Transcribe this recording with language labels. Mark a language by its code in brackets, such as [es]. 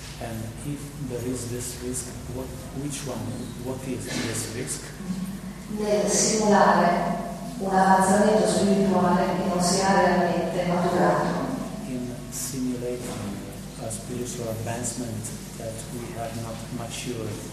[en] And if there is this risk, what is this risk? [it] Nel simulare un avanzamento spirituale che non sia realmente maturato. [en] In simulating a spiritual advancement that we have not matured.